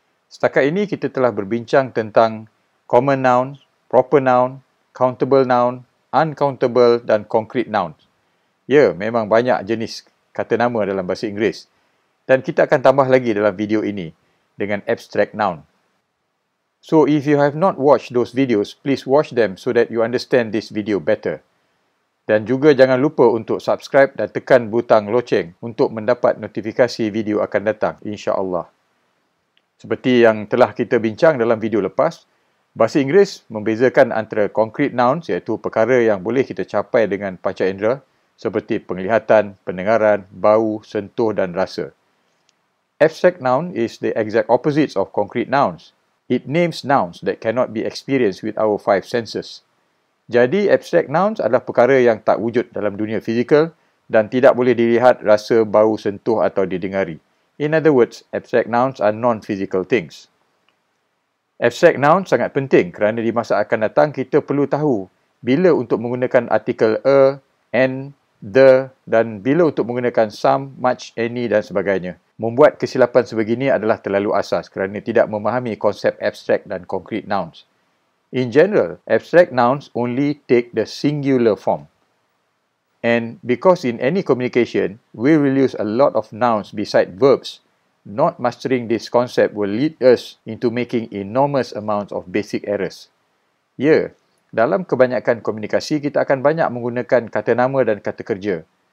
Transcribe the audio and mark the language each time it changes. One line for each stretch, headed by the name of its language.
Malay: Setakat ini kita telah berbincang tentang common noun, proper noun, countable noun, uncountable dan concrete noun. Ya, memang banyak jenis kata nama dalam bahasa Inggeris. Dan kita akan tambah lagi dalam video ini dengan abstract noun.
English: So, if you have not watched those videos, please watch them so that you understand this video better.
Malay: Dan juga jangan lupa untuk subscribe dan tekan butang loceng untuk mendapat notifikasi video akan datang, insya-Allah. Seperti yang telah kita bincang dalam video lepas, bahasa Inggeris membezakan antara concrete nouns iaitu perkara yang boleh kita capai dengan panca indera, seperti penglihatan, pendengaran, bau, sentuh dan rasa.
English: Abstract noun is the exact opposite of concrete nouns. It names nouns that cannot be experienced with our five senses.
Malay: Jadi, abstract nouns adalah perkara yang tak wujud dalam dunia fizikal dan tidak boleh dilihat, rasa, bau, sentuh atau didengari.
English: In other words, abstract nouns are non-physical things.
Malay: Abstract noun sangat penting kerana di masa akan datang, kita perlu tahu bila untuk menggunakan artikel a, an, the dan bila untuk menggunakan some, much, any dan sebagainya. Membuat kesilapan sebegini adalah terlalu asas kerana tidak memahami konsep abstract dan concrete nouns.
English: In general, abstract nouns only take the singular form. And because in any communication, we will use a lot of nouns beside verbs, not mastering this concept will lead us into making enormous amounts of basic errors. Yeah.
Malay: Dalam kebanyakan komunikasi, kita akan banyak menggunakan kata nama dan kata kerja.